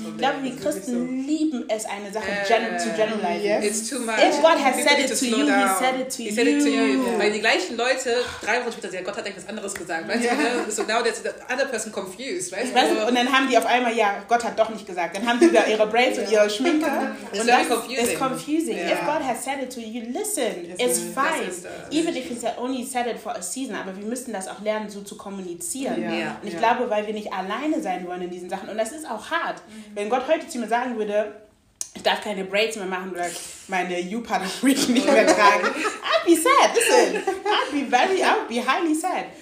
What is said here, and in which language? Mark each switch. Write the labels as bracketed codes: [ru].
[de] ich glaube, wir Christen lieben es, eine Sache zu generalisieren. [en] It's too much. If God has said it to you, he said it to you. He said it to you. [de] Weil die gleichen Leute, 3 Wochen später, sagen, Gott hat etwas anderes gesagt. Weißt du, [en] so now that the other person confused, [de] weißt du? Und dann haben die auf einmal, Gott hat doch nicht gesagt. Dann haben die wieder ihre Braids und ihre Schminke. Und das ist [en] confusing. If God has said it to you, listen, it's fine. Even if he only said it for a season, [de] aber wir müssen das auch lernen, so zu kommunizieren. [en] Yeah. Yeah. [de] Und ich glaube, weil wir nicht alleine sein wollen in diesen Sachen, und das ist auch hart, wenn Gott heute zu mir sagen würde, ich darf keine Braids mehr machen oder meine U-Part-Freak nicht mehr tragen, [en] I'd be sad. I'd be highly sad.